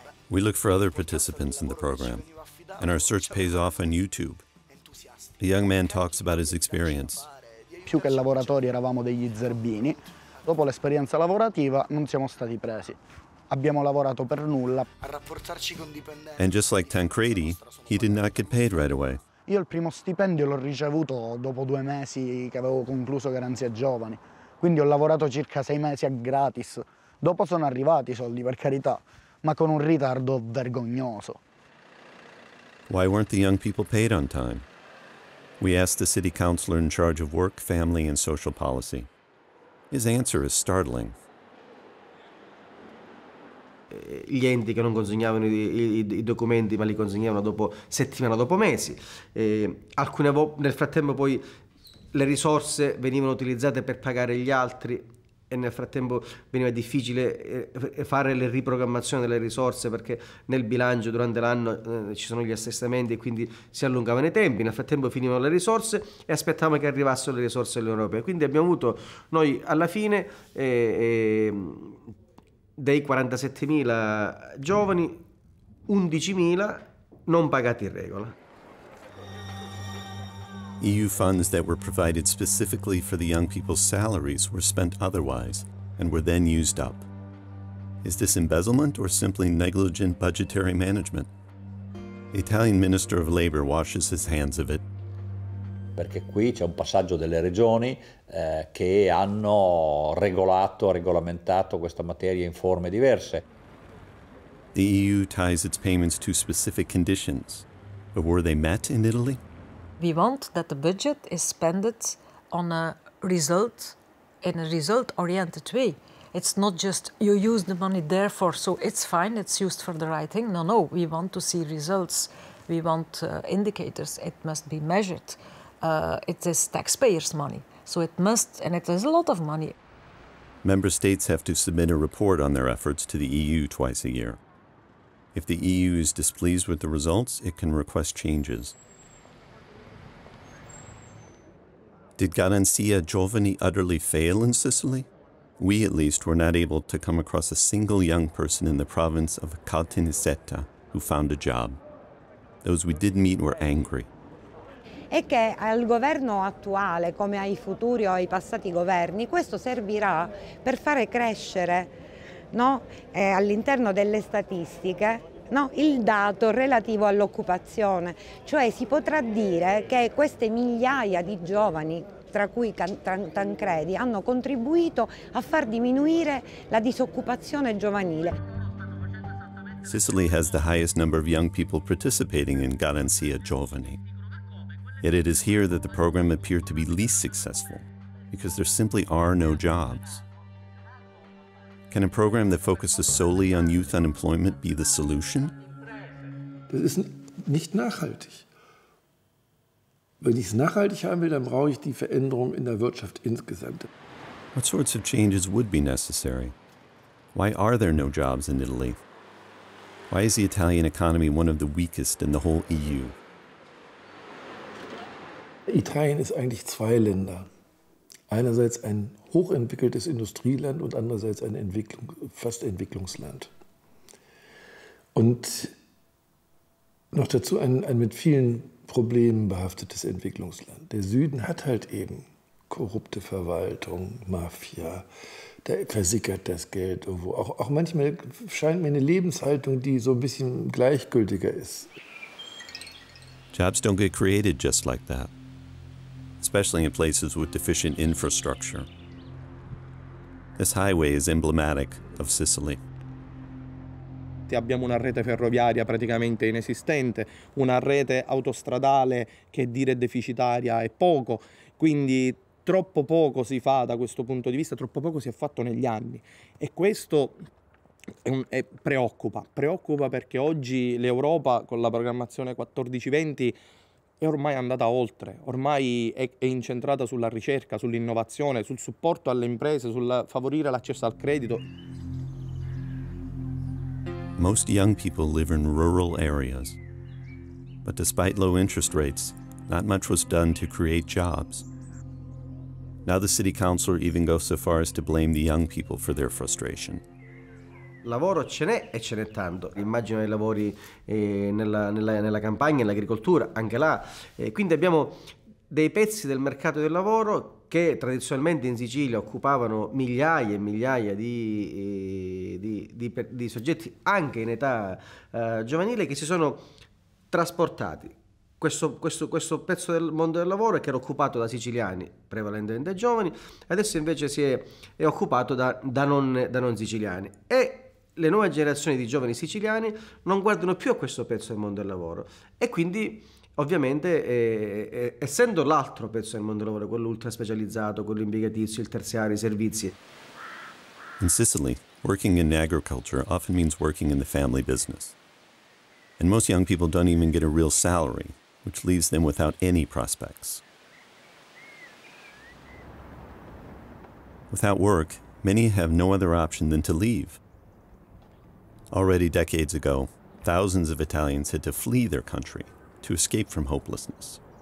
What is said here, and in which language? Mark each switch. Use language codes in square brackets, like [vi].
[en] We look for other participants in the program, and our search pays off on YouTube. A young man talks about his experience. [it] Più che lavoratori eravamo degli zerbini. Dopo l'esperienza lavorativa non siamo stati presi. Abbiamo lavorato per nulla. [en] And just like Tancredi, he did not get paid right away. [it] Io il primo stipendio l'ho ricevuto dopo due mesi che avevo concluso Garanzia Giovani. Quindi ho lavorato circa sei mesi a gratis. Dopo sono arrivati i soldi, per carità, ma con un ritardo vergognoso. [en] Why weren't the young people paid on time? We asked the city councilor in charge of work, family, and social policy. His answer is startling. [it] Gli enti che non consegnavano i documenti ma li consegnavano dopo settimana dopo mesi. Alcune nel frattempo poi le risorse venivano utilizzate per pagare gli altri e nel frattempo veniva difficile fare le riprogrammazioni delle risorse perché nel bilancio durante l'anno ci sono gli assestamenti e quindi si allungavano i tempi. Nel frattempo finivano le risorse e aspettavamo che arrivassero le risorse europee. Quindi abbiamo avuto noi alla fine dei 47.000 giovani, 11.000 non pagati in regola. [en] EU funds that were provided specifically for the young people's salaries were spent otherwise and were then used up. Is this embezzlement or simply negligent budgetary management? The Italian Minister of Labor washes his hands of it. [it] Perché qui c'è un passaggio delle regioni che hanno regolamentato questa materia in forme diverse. [en] The EU ties its payments to specific conditions, but were they met in Italy? We want that the budget is spent on a result, in a result-oriented way. It's not just you use the money therefore, so it's fine, it's used for the right thing. No, no, we want to see results. We want indicators. It must be measured. It is taxpayers' money, so it must, and it is a lot of money. Member states have to submit a report on their efforts to the EU twice a year. If the EU is displeased with the results, it can request changes. Did Garanzia Giovani utterly fail in Sicily? We, at least, were not able to come across a single young person in the province of Caltanissetta who found a job. Those we did meet were angry. [it] E che al governo attuale, come ai futuri o ai passati governi, questo servirà per fare crescere, no? All'interno delle statistiche, no? Il dato relativo all'occupazione. Cioè si potrà dire che queste migliaia di giovani, tra cui Tancredi, hanno contribuito a far diminuire la disoccupazione giovanile. [en] Sicily has the highest number of young people participating in Garanzia Giovani. Yet it is here that the program appeared to be least successful, because there simply are no jobs. Can a program that focuses solely on youth unemployment be the solution? [de] Das ist nicht nachhaltig. Wenn ich es nachhaltig haben will, dann brauche ich die Veränderung in der Wirtschaft insgesamt. [en] What sorts of changes would be necessary? Why are there no jobs in Italy? Why is the Italian economy one of the weakest in the whole EU? [de] Italien ist eigentlich zwei Länder. Einerseits ein hochentwickeltes Industrieland und andererseits ein fast Entwicklungsland. Und noch dazu ein mit vielen Problemen behaftetes Entwicklungsland. Der Süden hat halt eben korrupte Verwaltung, Mafia, da versickert das Geld irgendwo. Auch manchmal scheint mir eine Lebenshaltung, die so ein bisschen gleichgültiger ist. [en] Jobs don't get created just like that. Especially in places with deficient infrastructure. This highway is emblematic of Sicily. [it] Abbiamo una rete ferroviaria praticamente inesistente, una rete autostradale che dire deficitaria è poco, quindi troppo poco si fa da questo punto di vista, troppo poco si è fatto negli anni. E questo preoccupa perché oggi l'Europa con la programmazione 14-20 è ormai andata oltre, ormai è incentrata sulla ricerca, sull'innovazione, sul supporto alle imprese, sul favorire l'accesso al credito. [en] Most young people live in rural areas. But despite low interest rates, not much was done to create jobs. Now the city councilor even goes so far as to blame the young people for their frustration. [it] Lavoro ce n'è e ce n'è tanto. Immagino i lavori nella campagna, nell'agricoltura, anche là. Quindi abbiamo dei pezzi del mercato del lavoro che tradizionalmente in Sicilia occupavano migliaia e migliaia di soggetti, anche in età giovanile, che si sono trasportati. Questo pezzo del mondo del lavoro che era occupato da siciliani, prevalentemente giovani, adesso invece si è occupato da non siciliani. E le nuove generazioni di giovani siciliani non guardano più a questo pezzo del mondo del lavoro e quindi ovviamente essendo l'altro pezzo del mondo del lavoro, quello ultra specializzato, quello impiegatizio, il terziario, i servizi. [en] In Sicily, working in agriculture often means working in the family business. And most young people don't even get a real salary, which leaves them without any prospects. Without work, many have no other option than to leave. Already decades ago, thousands of Italians had to flee their country to escape from hopelessness.